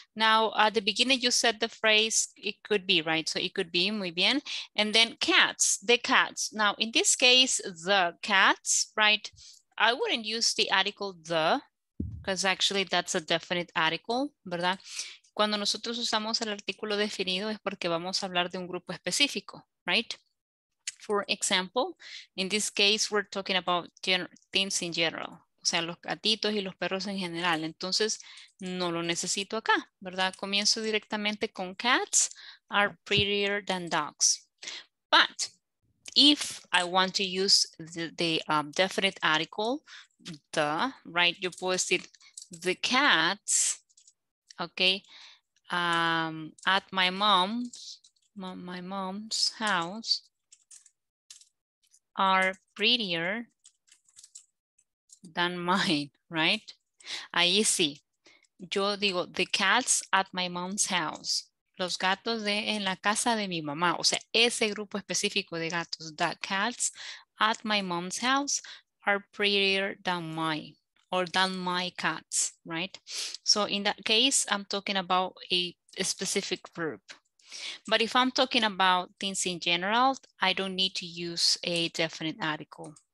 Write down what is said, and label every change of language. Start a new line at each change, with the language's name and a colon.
English: Now, at the beginning, you said the phrase, it could be, right? So it could be,
Spanish: muy bien.
English: And then cats, the cats. Now, in this case, the cats, right? I wouldn't use the article the, because actually that's a definite article,
Spanish: ¿verdad? Cuando nosotros usamos el artículo definido es porque vamos a hablar de un grupo específico,
English: right? For example, in this case, we're talking about things in general.
Spanish: O sea, los gatitos y los perros en general. Entonces, no lo necesito acá, ¿verdad? Comienzo directamente con
English: cats are prettier than dogs. But if I want to use the definite article, the, right?
Spanish: Yo puedo decir
English: the cats, okay, at my mom's house are prettier than mine, right?
Spanish: Ahí sí. Yo digo,
English: the cats at my mom's house.
Spanish: Los gatos de en la casa de mi mamá. O sea, ese grupo específico de gatos.
English: The cats at my mom's house are prettier than mine. Or than my cats, right? So in that case, I'm talking about a specific group. But if I'm talking about things in general, I don't need to use a definite article.